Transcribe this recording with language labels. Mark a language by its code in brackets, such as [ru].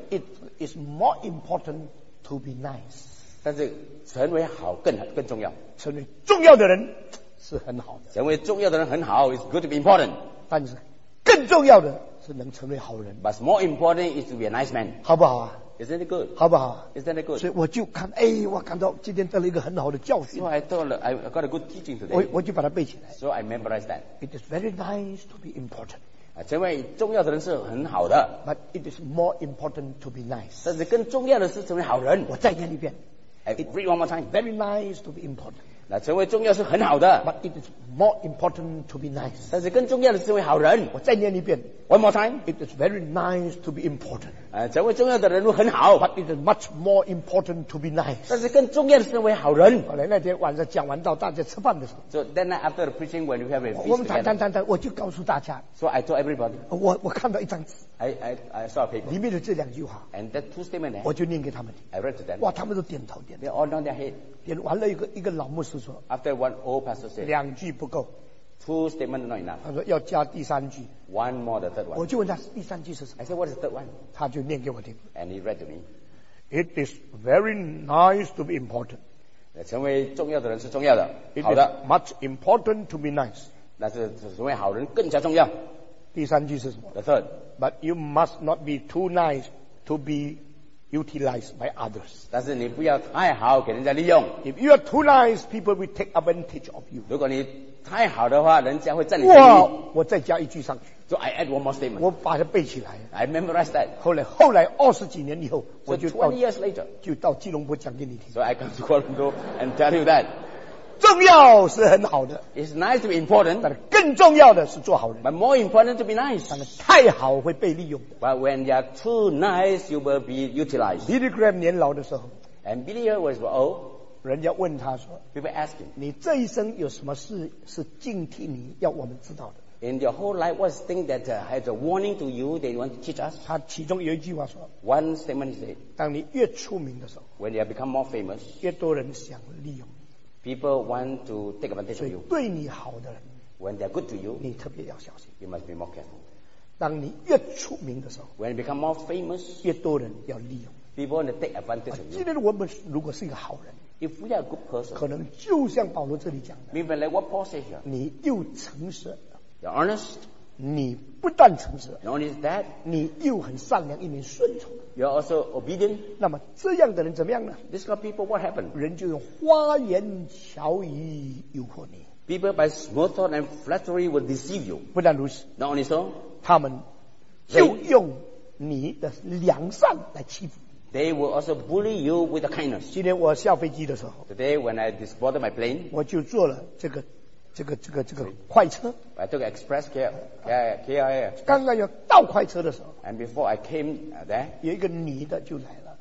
[en] it is more important to be nice. [zh] 但是成为好更重要。成为重要的人是很好的。成为重要的人很好 [en] is good to be important. [zh] 但是更重要的。能成为好人 [en] ，But more important is to be a nice man， [zh] 好不好啊 [en] ？Isn't it good？ [zh] 好不好 [en] ？Isn't it good？ [zh] 所以我就看，我感到今天得了一个很好的教训。 [en] So I thought I got a good teaching today。 [zh] 我就把它背起来。 [en] So I memorized that。 It is very nice to be important。 [zh] 成为重要的人是很好的。 [en] But it is more important to be nice。 [zh] 但是更重要的是成为好人。我再念一遍。 [en] I read one more time。 Very nice to be important。 [zh] 那成为重要是很好的 [en] ，But it is more important to be nice。 [zh] 但是更重要的是成为好人。我再念一遍 [en] ，One more time。 It is very nice to be important。 [zh] 成为重要的人很好 [en] ，But it is much more important to be nice。 [zh] 但是更重要的是成为好人。后来那天晚上讲完到大家吃饭的时候 [en] ，So then after the preaching when we have a feast， [zh] 我们谈，我就告诉大家 [en] ，So I told everybody， [zh] 我看到一张纸 [en] ，I saw a paper， [zh] 里面的这两句话 [en] ，And that two statement， [zh] 我就念给他们 [en] ，I read to them， [zh] 哇，他们都点头 [en] ，They all nod their head。 [zh] 点完了一个老牧师说 [en] ，After one old pastor said， [zh] 两句不够 [en] ，Two statement not enough。 [zh] 他说要加第三句 [en] ，One more the third one。 [zh] 我就问他第三句是什么 [en] ，I said what is the third one？ [zh] 他就念给我听 [en] ，And he read to me。 It is very nice to be important。 [zh] 成为重要的人是重要的，好的 [en] ，Much important to be nice。 [zh] 那是成为好人更加重要。第三句是什么 [en] ？The third。 But you must not be too nice to be。 Utilized by others. [zh] 但是你不要太好给人家利用。 [en] If you are too nice, people will take advantage of you. [zh] 如果你太好的话，人家会占你便宜。我再加一句上去。 [en] So I add one more statement. [zh] 我把它背起来。 [en] I memorize that. [zh] 后来二十几年以后，我就到 [en] 20 years later [zh] 就到吉隆坡讲给你听。 [en] So I come to Kuala Lumpur and tell you that. [zh] 重要是很好的。 [en] It's nice to be important. [zh] 但是更重要的是做好人。 [en] But more important to be nice. [zh] 但是太好会被利用的。 [en] But when you are too nice, you will be utilized. [zh] Billy Graham 年老的时候。 [en] And Billy Graham was old. [zh] 人家问他说。 [en] People ask him. [zh] 你这一生有什么事是警惕你要我们知道的。 [en] In your whole life, what's the thing that has a warning to you that you want to teach us? [zh] 他其中有一句话说。 [en] One statement he said. [zh] 当你越出名的时候。 [en] When you become more famous. [zh] 越多人想利用。 [en] People want to take advantage of you. [zh] 对你好的人 [en] ，when they're good to you， [zh] 你特别要小心。 [en] You must be more careful. [zh] 当你越出名的时候 [en] ，when you become more famous， [zh] 越多人要利用。 [en] People want to take advantage of you. [zh] 今天我们如果是一个好人 [en] ，if we are a good person， [zh] 可能就像保罗这里讲的 [en] ，maybe like what Paul said here， [zh] 你又诚实 [en] ，you're honest， [zh] 你不但诚实 [en] ，not only that， [zh] 你又很善良，一名顺从。 [en] You're also obedient. [zh] 那么这样的人怎么样呢 [en] ？This kind of people, what happened? [zh] 人就用花言巧语诱惑你。 [en] People by small talk and flattery will deceive you. [zh] 不但如此 [en] ，Not only so, [zh] 他们就用你的良善来欺负。 [en] They will also bully you with kindness. [zh] 今天我下飞机的时候 [en] ，Today when I disboarded my plane, [zh] 我就坐了这个快车。 [en] I took express KIA. [zh] 刚刚要到快车的时候。 [en] And before I came there, [zh] 有一个女的就来了。